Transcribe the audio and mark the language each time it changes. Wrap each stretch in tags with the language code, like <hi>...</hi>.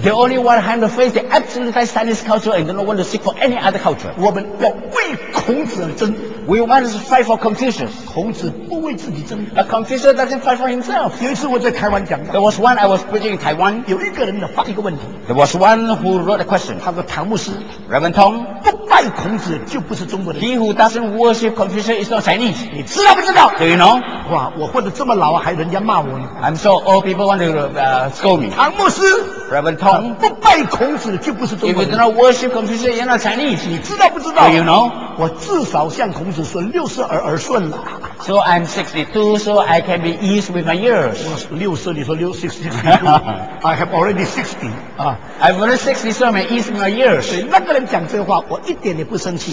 <en>They only want to hand the face the absolute Chinese culture and don't want to seek for any other culture.</en> <zh>我们要为孔子而争。</zh> <en>We want to fight for Confucius.</en> <zh>孔子不为自己争。</zh> <en>A Confucius doesn't fight for himself.</en> <zh>有一次我在台湾讲的。</zh> <en>There was one I was preaching in Taiwan.</en> <zh>有一个人发一个问题。</zh> <en>There was one who wrote a question.</en> <zh>他说唐牧师。</zh> <en>Reverend Tong.</en> <zh>不拜孔子就不是中国人。</zh> <en>He who doesn't worship Confucius is not Chinese.</en> <zh>你知道不知道？</zh> <en>Do you know?</en> <zh>哇，我活得这么老还人家骂我呢。</zh> <en>I'm so old, people want to scold me.</en> <zh>唐牧师。</zh> <en>Reverend Tong.</en> <zh>不拜孔子就不是中国人。</zh> <en>If you do not worship Confucius, you're not Chinese.</en> <zh>你知道不知道？</zh> <en>Do you know?</en> <zh>我至少像孔子。是说六十而耳顺了。</zh> <en>So I'm 62, so I can be eased with my ears.</en> <zh>六十，你说六</zh> <en>sixty? I have already 60. I'm already 60, so I'm eased with my ears.</en> <zh>那个人讲这话，我一点也不生气。</zh>